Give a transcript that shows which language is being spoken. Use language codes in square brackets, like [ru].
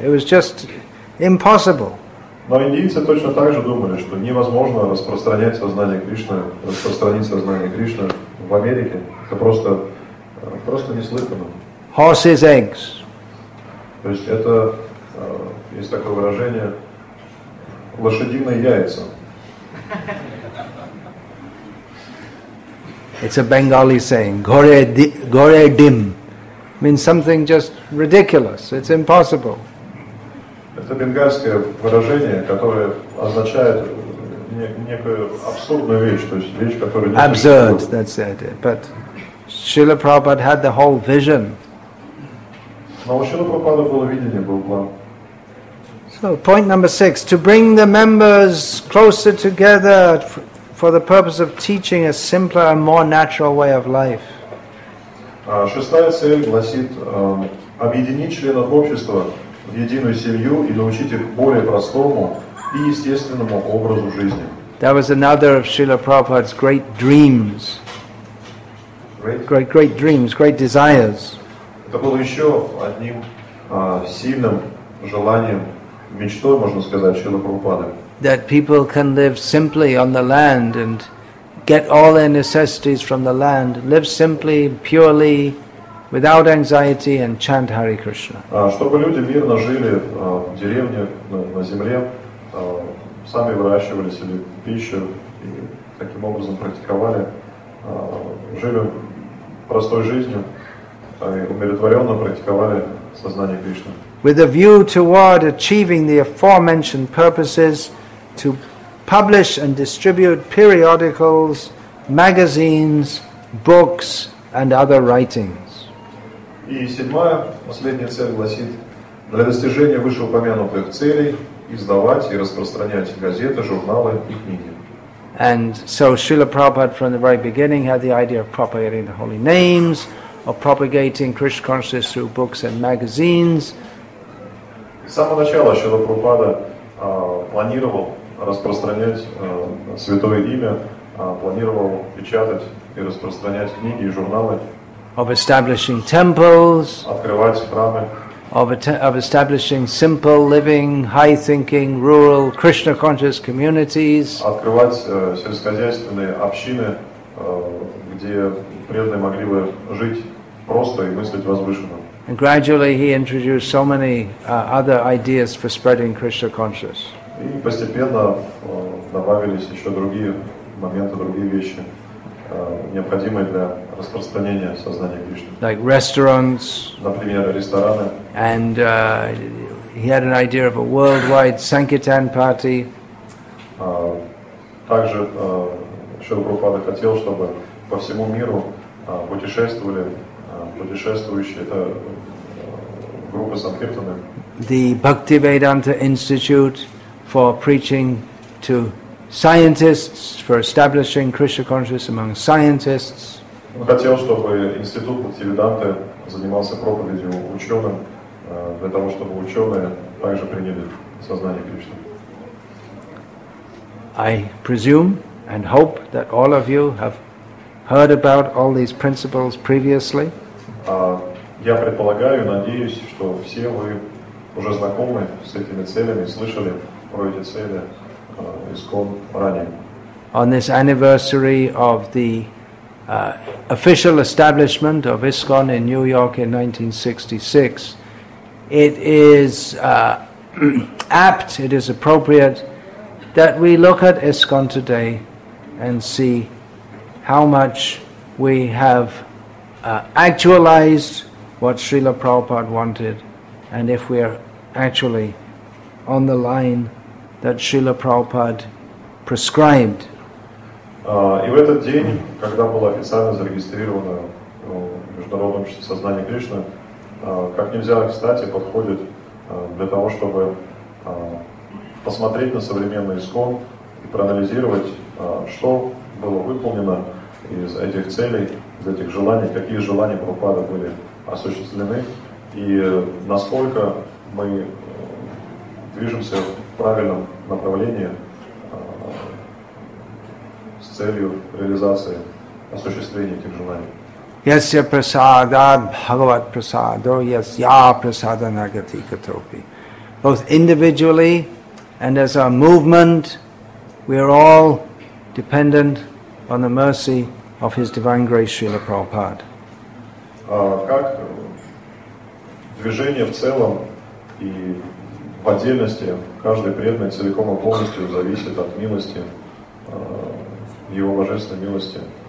[en] It was just impossible. [ru] Но индийцы точно так же думали, что невозможно распространить сознание Кришны в Америке. Это просто неслыханно. [en] Horses' eggs. [ru] То есть это, есть такое выражение, лошадиные яйца. [en] It's a Bengali saying, gore dim, means something just ridiculous, it's impossible. [ru] Это бенгальское выражение, которое означает некую абсурдную вещь, то есть вещь, которая... [en] Absurd, that's the idea. But Srila Prabhupada had the whole vision. [ru] Но у Srila Prabhupada было видение, был план. [en] So, point number six, to bring the members closer together for the purpose of teaching a simpler and more natural way of life. [ru] Шестая цель гласит объединить членов общества в единую семью и научить их более простому и естественному образу жизни. [en] That was another of Srila Prabhupada's great dreams. Great dreams, great desires. [ru] Это было еще одним сильным желанием, мечтой, можно сказать, Шрилы Прабхупады. [en] That people can live simply on the land and get all their necessities from the land, live simply, purely, without anxiety, and chant Hare Krishna. [ru] Чтобы люди мирно жили в деревне, на земле, сами выращивали себе пищу и таким образом практиковали, жили простой жизнью, умиротворенно практиковали сознание Кришны. [en] With a view toward achieving the aforementioned purposes, to publish and distribute periodicals, magazines, books, and other writings. [ru] И седьмая, последняя цель гласит, для достижения вышеупомянутых целей издавать и распространять газеты, журналы и книги. [en] And so Srila Prabhupada from the very beginning had the idea of propagating the holy names, of propagating Krishna consciousness through books and magazines. [ru] С самого начала Srila Prabhupada планировал распространять святое имя, планировал печатать и распространять книги и журналы, [en] of establishing temples, [ru] открывать храмы, [en] of establishing simple living, high-thinking, rural, Krishna-conscious communities, [ru] открывать сельскохозяйственные общины, где преданные могли бы жить просто и мыслить возвышенно. [en] And gradually he introduced so many other ideas for spreading Krishna-conscious. [ru] И постепенно добавились еще другие моменты, другие вещи, необходимые для распространения сознания Кришны. [en] Like restaurants. [ru] Например, рестораны. [en] And he had an idea of a worldwide Sankirtan party. [ru] Также Шрила Прабхупада хотел, чтобы по всему миру путешествующие, это группы Санкиртаны. [en] The Bhaktivedanta Institute for preaching to scientists, for establishing Krishna consciousness among scientists. [ru] Он хотел, чтобы институт Бхактивиданты занимался проповедью ученым, для того, чтобы ученые также приняли сознание Кришны. [en] I presume and hope that all of you have heard about all these principles previously. [ru] Я предполагаю, надеюсь, что все вы уже знакомы с этими целями, слышали. Про эти цели, искон ранее. [en] on this anniversary of the official establishment of ISKCON in New York in 1966, it is apt, it is appropriate that we look at ISKCON today and see how much we have actualized what Srila Prabhupada wanted, and if we are actually on the line that Srila Prabhupada prescribed. [ru] И в этот день, когда было официально зарегистрировано международным сознанием Кришны, как нельзя кстати подходит для того, чтобы посмотреть на современный ИСКОН и проанализировать, что было выполнено из этих целей, из этих желаний, какие желания Прабхупады были осуществлены и насколько мы движемся в правильном направлении с целью реализации осуществления этих желаний. [sa] Yasya prasada bhagavat prasado yasya prasada nagati katopi. [en] Both individually and as a movement, we are all dependent on the mercy of His Divine Grace Srila Prabhupada. [ru] Как движение в целом и в отдельности, каждый преданный целиком и полностью зависит от милости, Его Божественной милости,